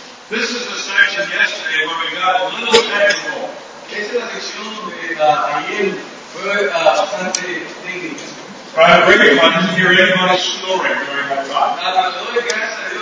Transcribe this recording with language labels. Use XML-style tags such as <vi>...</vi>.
<en>This is the section yesterday where we got a little technical.</en> <es>Esta es la sección donde ayer fue bastante técnica.</es> <en>I really want to hear anybody snoring during that time.</en>